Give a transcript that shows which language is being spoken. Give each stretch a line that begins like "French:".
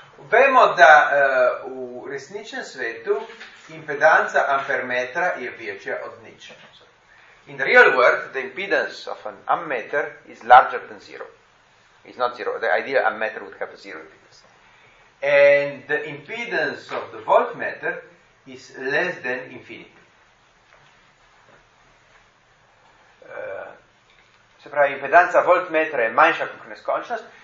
Slovenian: Vemo, da v resničnem svetu impedanca ampermetra je večja od nič.
English: In the real world, the impedance of an ammeter is larger than zero. It's not zero. The ideal ammeter would have zero impedance. And the impedance of the voltmeter is less than infinity.
Slovenian: Se pravi, impedanca voltmetra je manjša kot neskončnost.